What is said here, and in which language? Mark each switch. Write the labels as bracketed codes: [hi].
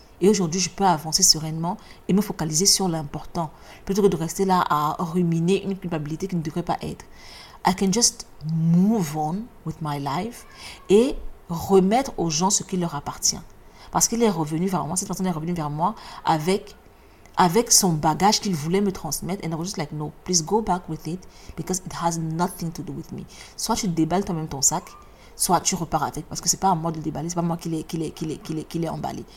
[fr] Et aujourd'hui, je peux avancer sereinement et me focaliser sur l'important plutôt que de rester là à ruminer une culpabilité qui ne devrait pas être. [en] I can just move on with my life [fr] et remettre aux gens ce qui leur appartient. Parce qu'il est revenu vers moi, cette personne est revenue vers moi avec son bagage qu'il voulait me transmettre. [en] And I was just like, no, please go back with it because it has nothing to do with me. [fr] Soit tu déballes toi-même ton sac, soit tu repars avec. Parce que c'est pas à moi de le déballer, c'est pas moi qui l'ai emballé.